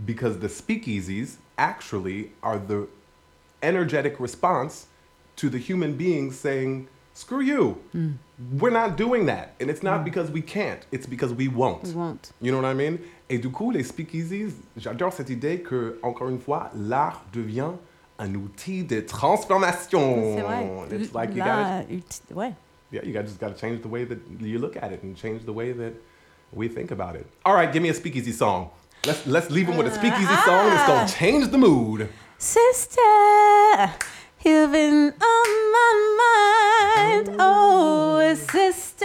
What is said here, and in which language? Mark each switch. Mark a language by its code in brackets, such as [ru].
[en] Because the speakeasies, actually, are the energetic response to the human beings saying, screw you, we're not doing that. And it's not because we can't, it's because we won't. We won't. You know what I mean? [fr] Et du coup, les speakeasies, j'adore cette idée que, encore une fois, l'art devient un outil de transformation. C'est vrai. [en] It's like you just gotta change the way that you look at it and change the way that we think about it. All right, give me a speakeasy song. Let's leave them with a speakeasy song and it's gonna change the mood. Sister! You've been on my mind, oh sister,